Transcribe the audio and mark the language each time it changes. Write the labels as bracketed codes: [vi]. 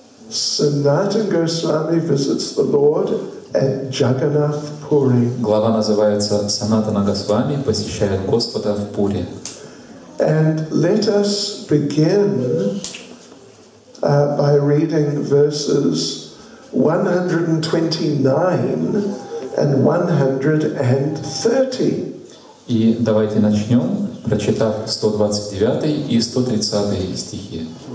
[en] Sanatana Goswami visits the Lord at Jagannath Puri. [ru] Глава называется «Санатана Госвами посещает Господа в Пури». [en] And let us begin by reading verses 129 and 130. [ru] И давайте начнем, прочитав 129 и 130 стихи.